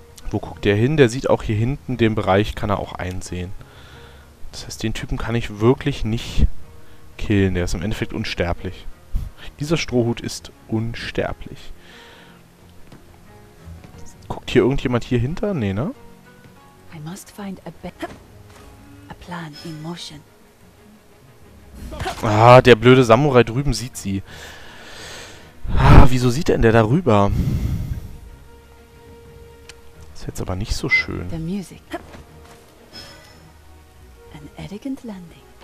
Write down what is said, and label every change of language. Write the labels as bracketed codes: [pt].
[de] Wo guckt der hin? Der sieht auch hier hinten, den Bereich kann er auch einsehen. Das heißt, den Typen kann ich wirklich nicht killen. Der ist im Endeffekt unsterblich. Dieser Strohhut ist unsterblich. Guckt hier irgendjemand hier hinter? Nee, ne? [en] I must find a plan in motion. [de] Ah, der blöde Samurai drüben sieht sie. Ah, wieso sieht denn der darüber? Ist jetzt aber nicht so schön. [en] The music. An elegant landing.